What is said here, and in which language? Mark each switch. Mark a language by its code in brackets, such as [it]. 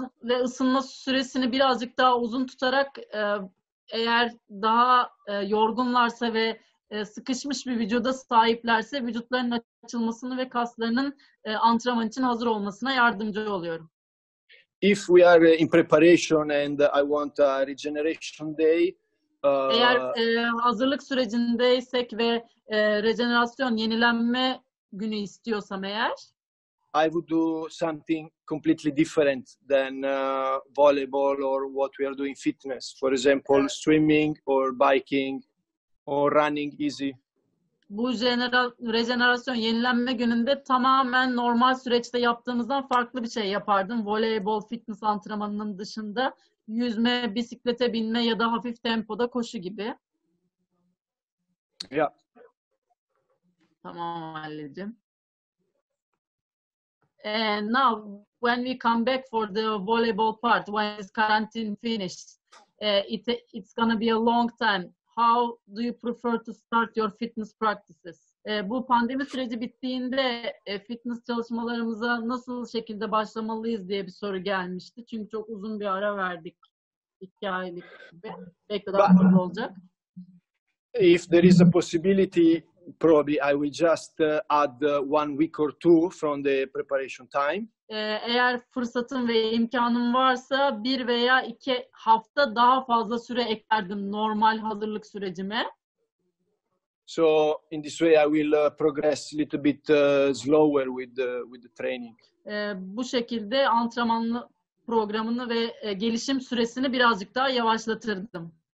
[tr] Ve ısınma süresini birazcık daha uzun tutarak eğer daha yorgunlarsa ve sıkışmış bir vücuda sahiplerse vücutlarının açılmasını ve kaslarının antrenman için hazır olmasına yardımcı oluyorum. [en] If we are in preparation and I want a regeneration day. [tr] Eğer hazırlık sürecindeysek ve regenerasyon, yenilenme günü istiyorsam eğer. [en] I would do something completely different than volleyball or what we are doing fitness. For example, swimming or biking or running easy. [tr] Bu regenerasyon, yenilenme gününde tamamen normal süreçte yaptığımızdan farklı bir şey yapardım. Voleybol, fitness antrenmanının dışında yüzme, bisiklete binme ya da hafif tempoda koşu gibi. Ya. Yeah. Tamam halledeceğim. [en] And now, when we come back for the volleyball part, when is quarantine finished? It's gonna be a long time. How do you prefer to start your fitness practices? [tr] Bu pandemi süreci bittiğinde fitness çalışmalarımıza nasıl şekilde başlamalıyız diye bir soru gelmişti. Çünkü çok uzun bir ara verdik. 2 aylık. Bekleden olacak. [en] If there is a possibility, probably I will just add 1 week or two from the preparation time. [tr] Eğer fırsatım ve imkanım varsa 1 veya 2 hafta daha fazla süre eklerdim normal hazırlık sürecime. [en] So in this way I will progress a little bit slower with the training. [tr] Bu şekilde antrenman programını ve gelişim süresini birazcık daha yavaşlatırdım.